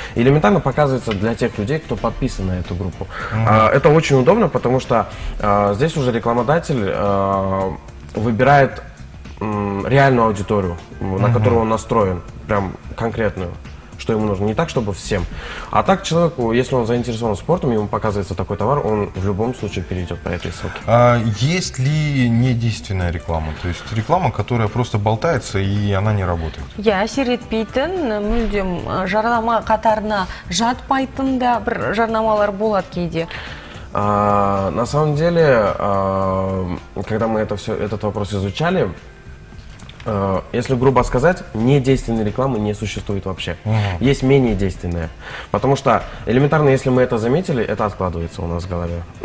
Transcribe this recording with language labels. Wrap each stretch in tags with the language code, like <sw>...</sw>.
<ru>Элементарно показывается для тех людей, кто подписан на эту группу. Это очень удобно, потому что здесь уже рекламодатель выбирает реальную аудиторию, на которую он настроен, прям конкретную. Что ему нужно. Не так, чтобы всем. А так человеку, если он заинтересован спортом, ему показывается такой товар, он в любом случае перейдет по этой ссылке. А есть ли недейственная реклама? То есть реклама, которая просто болтается и она не работает?</ru> <kk>Я сирет пейтін, мүлдем жарнама қатарына жатпайтын да бір жарнамалар болат кейде.</kk> <ru>На самом деле, когда мы этот вопрос изучали, если грубо сказать, недейственной рекламы не существует вообще. Mm-hmm. Есть менее действенная. Потому что элементарно, если мы это заметили, это откладывается у нас в голове.</ru>